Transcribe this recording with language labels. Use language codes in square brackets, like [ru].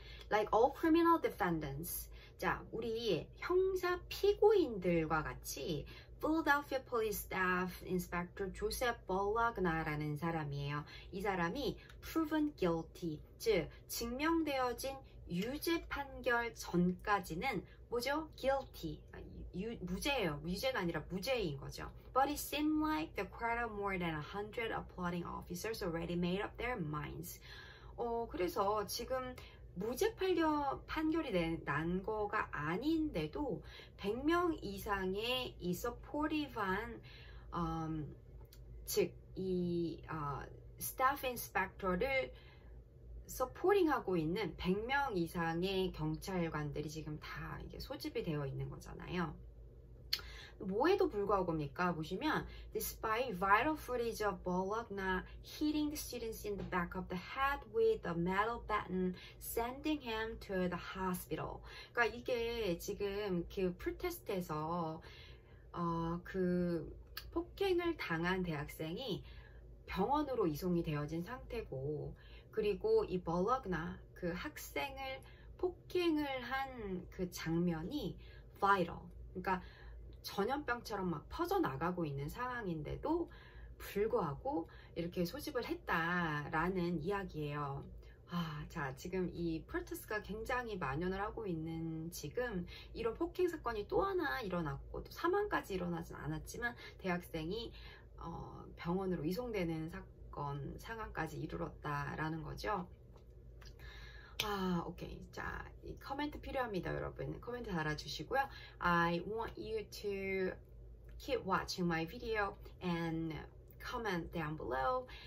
[en] Like all criminal defendants. [ko] 자, 우리 형사 피고인들과 같이 Philadelphia Police Staff Inspector Joseph Bologna라는 사람이에요. 이 사람이 proven guilty, 즉 증명되어진 유죄 판결 전까지는 뭐죠? guilty. 무죄예요. 유죄가 아니라 무죄인 거죠. [en] But it seemed like the crowd of more than 100 applauding officers already made up their minds. [ko] 그래서 지금 무죄 판결이 난 거가 아닌데도 100명 이상의 이 supportive한 즉 이 staff inspector를 서포팅하고 있는 100명 이상의 경찰관들이 지금 다 이게 소집이 되어 있는 거잖아요. 뭐에도 불구하고입니까? [en] 보시면 Despite viral footage of Bologna hitting the students in the back of the head with a metal baton sending him to the hospital. [ko] 그러니까 이게 지금 그 프로테스트에서 그 폭행을 당한 대학생이 병원으로 이송이 되어진 상태고 그리고 이 Bologna 그 학생을 폭행을 한 그 장면이 viral 그러니까 전염병처럼 막 퍼져나가고 있는 상황인데도 불구하고 이렇게 소집을 했다라는 이야기예요. 아, 자, 지금 이 프로테스트가 굉장히 만연을 하고 있는 지금 이런 폭행 사건이 또 하나 일어났고 또 사망까지 일어나진 않았지만 대학생이 병원으로 이송되는 사건 상황까지 이르렀다라는 거죠. 아, 오케이. 자, 이 코멘트 필요합니다, 여러분. 코멘트 달아주시고요. [en] I want you to keep watching my video and comment down below.